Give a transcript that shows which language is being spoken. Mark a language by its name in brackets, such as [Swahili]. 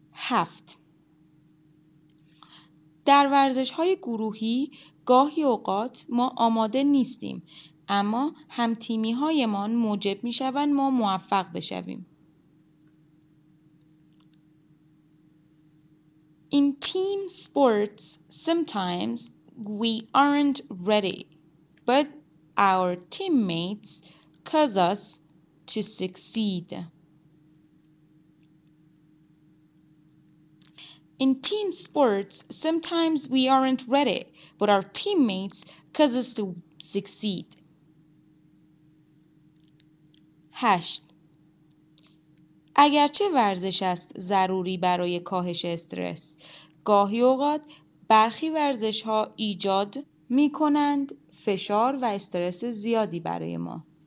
[English] 7. [Persian] در ورزش‌های گروهی گاهی اوقات ما آماده نیستیم اما هم‌تیمی‌هایمان موجب می‌شوند ما موفق بشویم. [English] In team sports sometimes we aren't ready, but our teammates cause us to succeed. In team sports, sometimes we aren't ready, but our teammates cause us to succeed. 8. [Persian] اگرچه ورزش است ضروری برای کاهش استرس، گاهی اوقات برخی ورزش ها ایجاد می کنند فشار و استرس زیادی برای ما.